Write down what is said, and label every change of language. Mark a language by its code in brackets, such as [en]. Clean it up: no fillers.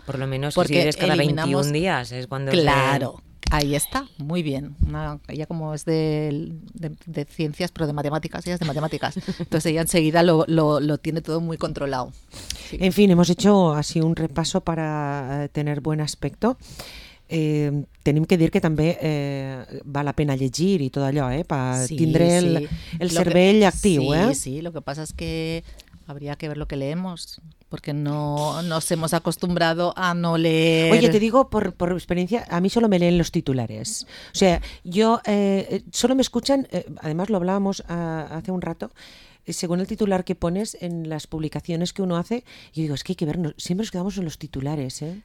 [es] Por lo menos si eres cada 21 días es cuando... Claro, ahí está, muy bien. Ella como es de ciencias, pero de matemáticas, ella es de matemáticas. Entonces ella enseguida lo tiene todo muy controlado. Sí. En fin, hemos hecho así un repaso para tener buen aspecto. [ca] Tenim que dir que també val la pena llegir i tot allò, per tindre el cervell actiu. [es] Sí, lo que pasa es que habría que ver lo que leemos, porque no nos hemos acostumbrado a no leer. Oye, te digo por experiencia, a mí solo me leen los titulares. O sea, yo solo me escuchan, además lo hablábamos hace un rato, según el titular que pones en las publicaciones que uno hace, yo digo, es que hay que vernos, siempre nos quedamos en los titulares, ¿eh?